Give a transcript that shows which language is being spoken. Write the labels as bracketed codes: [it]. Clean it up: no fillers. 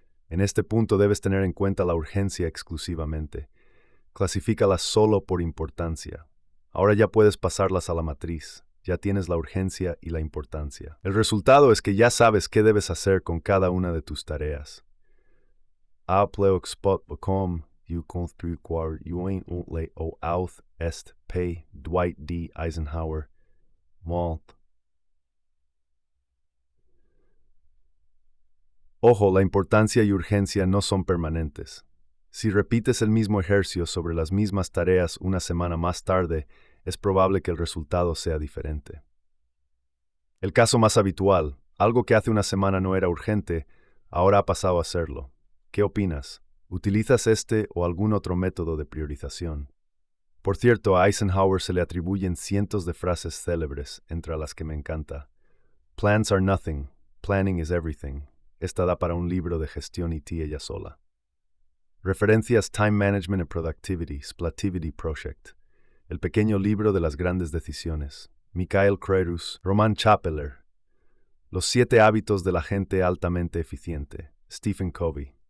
[es] En este punto debes tener en cuenta la urgencia exclusivamente. Clasifícalas solo por importancia. Ahora ya puedes pasarlas a la matriz. Ya tienes la urgencia y la importancia. El resultado es que ya sabes qué debes hacer con cada una de tus tareas. Apleoxpot.com You come through quar, you ain't won't lay o out est pay Dwight D. Eisenhower Malt. Ojo, la importancia y urgencia no son permanentes. Si repites el mismo ejercicio sobre las mismas tareas una semana más tarde, es probable que el resultado sea diferente. El caso más habitual, algo que hace una semana no era urgente, ahora ha pasado a serlo. ¿Qué opinas? ¿Utilizas este o algún otro método de priorización? Por cierto, a Eisenhower se le atribuyen cientos de frases célebres, entre las que me encanta. [en] Plans are nothing, planning is everything. [es] Esta da para un libro de gestión IT ella sola. Referencias Time Management and Productivity, Splativity Project. El pequeño libro de las grandes decisiones. Mikhail Kreutz, Roman Chapeller. Los siete hábitos de la gente altamente eficiente, Stephen Covey.